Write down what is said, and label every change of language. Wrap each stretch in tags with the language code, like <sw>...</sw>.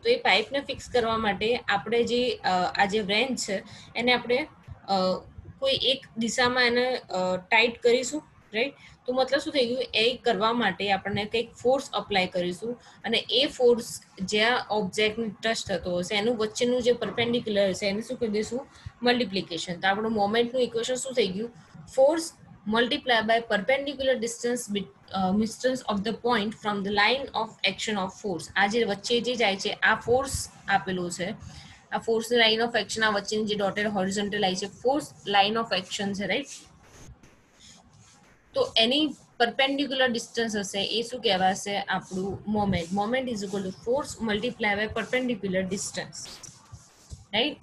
<gu>તો એ પાઇપને ફિક્સ કરવા માટે આપણે જે આ જે વ્રેન્ચ છે એને આપણે કોઈ એક દિશામાં એને ટાઇટ કરીશું, રાઈટ. તો મતલબ શું થઈ ગયું? એ કરવા માટે આપણે કંઈક ફોર્સ અપ્લાય કરીશું અને એ ફોર્સ જ્યાં ઓબ્જેક્ટને ટચ થતો હશે એનું વચ્ચેનું જે પરપેન્ડિક્યુલર હશે એને શું કહી દઈશું? મલ્ટીપ્લિકેશન. તો આપણું મોમેન્ટનું ઇક્વેશન શું થઈ ગયું?</gu> <en>Force multiply by perpendicular distance of the point from the line of action of force.</en> <gu>આ જે વચ્ચે જે જાય છે આ ફોર્સ આપેલો છે, આ ફોર્સ લાઈન ઓફ એક્શન, આ વચ્ચેની જે ડોટેડ હોરિઝોન્ટલ આવી છે ફોર્સ લાઈન ઓફ એક્શન છે, રાઈટ. તો એની પરપેન્ડિક્યુલર ડિસ્ટન્સ હશે એ શું કહેવાશે? આપણું moment.</gu> <en>Moment is equal to force multiply by perpendicular distance, right.</en>